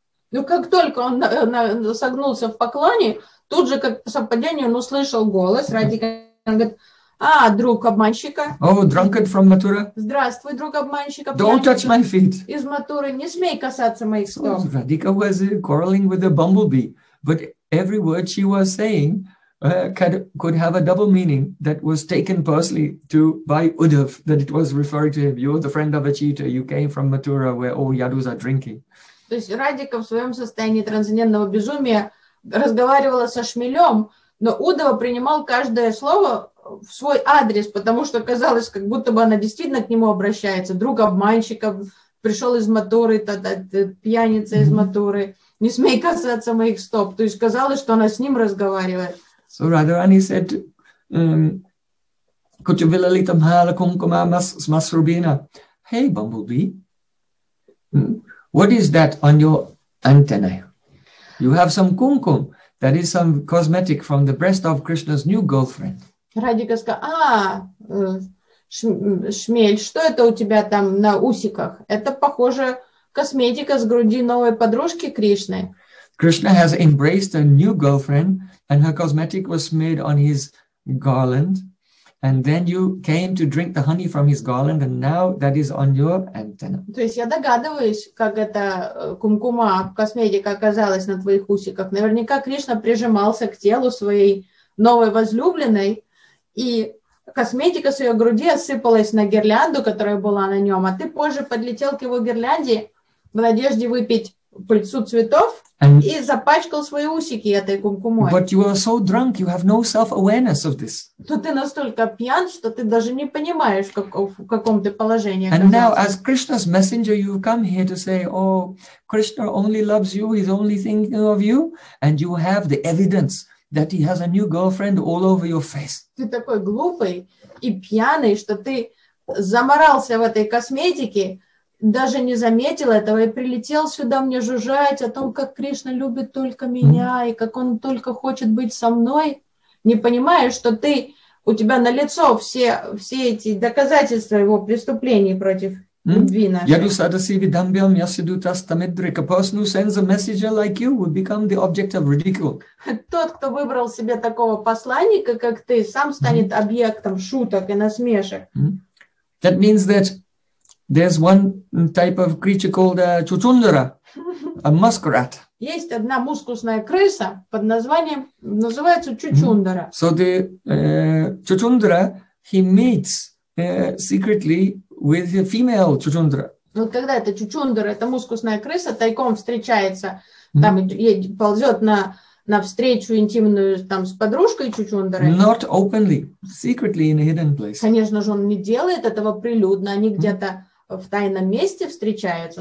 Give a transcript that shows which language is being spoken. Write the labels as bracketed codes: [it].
[ru] Ну, как только он согнулся в поклоне, тут же, как по совпадению, он услышал голос. Радика говорит, а, друг обманщика. [en] Oh, drunkard from Mathura. [ru] Здравствуй, друг обманщика. [en] Don't touch my feet. [ru] Из Матуры, не смей касаться моих стоп. [en] So, Radhika was quarreling with a bumblebee. But every word she was saying could have a double meaning that was taken personally to by Uddhav, that it was referring to him. You're the friend of a cheater. You came from Mathura where all Yadus are drinking. [ru] То есть Радика в своем состоянии трансцендентного безумия разговаривала со шмелем, но Удава принимал каждое слово в свой адрес, потому что казалось, как будто бы она действительно к нему обращается. Друг обманщика пришел из Матуры, пьяница из Матуры. Не смей касаться моих стоп. То есть казалось, что она с ним разговаривает. [en] So Radharani said, [sa] Kuchavilalita Mahala Kumkuma Masrubina. [en] Hey, Bumblebee. What is that on your antennae? You have some kumkum. That is some cosmetic from the breast of Krishna's new girlfriend. [ru] Радика сказала, шмель, что это у тебя там на усиках? Это, похоже, косметика с груди новой подружки Кришны. [en] Krishna has embraced a new girlfriend and her cosmetic was made on his garland. And then you came to drink the honey from his garland, and now that is on your antenna. [ru] То есть я догадываюсь, как эта кумкума косметика оказалась на твоих усиках. Наверняка Кришна прижимался к телу своей новой возлюбленной, и косметика с ее груди осыпалась на гирлянду, которая была на нем, а ты позже подлетел к его гирлянде в надежде выпить пыльцу цветов. And, и запачкал свои усики этой кумкумой. [en] But you are so drunk, you have no self-awareness of this. [ru] То ты настолько пьян, что ты даже не понимаешь, в каком ты положении оказался. [en] And now, as Krishna's messenger, you come here to say, oh, Krishna only loves you, he's only thinking of you, and you have the evidence that he has a new girlfriend all over your face. [ru] Ты такой глупый и пьяный, что ты заморался в этой косметике, даже не заметил этого и прилетел сюда мне жужжать о том, как Кришна любит только меня и как он только хочет быть со мной, не понимая, что ты, у тебя налицо все эти доказательства его преступлений против [sa] Я глусада си видамбиам, я сиду тас тамедрик. [en] A person who sends a messenger like you would become the object of ridicule. [ru] Тот, кто выбрал себе такого посланника, как ты, сам станет объектом шуток и насмешек. [en] That means that there's one type of creature called a chuchundra, a muskrat. [ru] Есть одна мускусная крыса под названием, называется чучундра. [en] So the chuchundra, he meets secretly with a female chuchundra. [ru] Вот когда эта чучундра, эта мускусная крыса, тайком встречается, там ползет на встречу интимную там с подружкой чучундрой. [en] Not openly, secretly in a hidden place. [ru] Конечно же, он не делает этого прилюдно, они где-то в тайном месте встречаются.